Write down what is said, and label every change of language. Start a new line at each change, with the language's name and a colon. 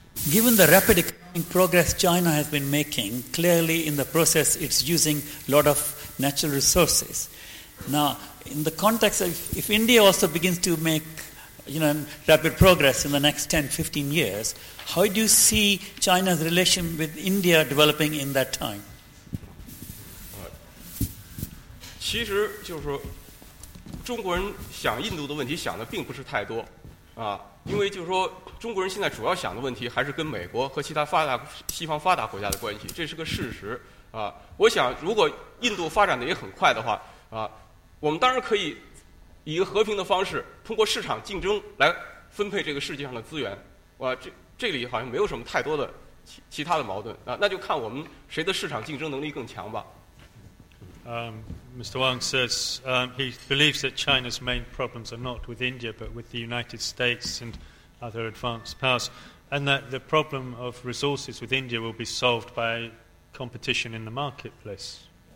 English: Given the rapid economic progress China has been making, clearly in the process it's using a lot of natural resources. Now, in the context of if India also begins to make, you know, rapid progress in the next 10, 15 years, how do you see China's relation with India developing in that time?
Chinese: 其实就是说，中国人想印度的问题想的并不是太多，啊。因为就是说中国人现在主要想的问题还是跟美国和其他发达西方发达国家的关系，这是个事实啊。我想如果印度发展的也很快的话啊，我们当然可以以一个和平的方式通过市场竞争来分配这个世界上的资源，哇，这里好像没有什么太多的其他的矛盾啊，那就看我们谁的市场竞争能力更强吧。
English: Mr. Wang says he believes that China's main problems are not with India but with the United States and other advanced powers, and that the problem of resources with India will be solved by competition in the marketplace.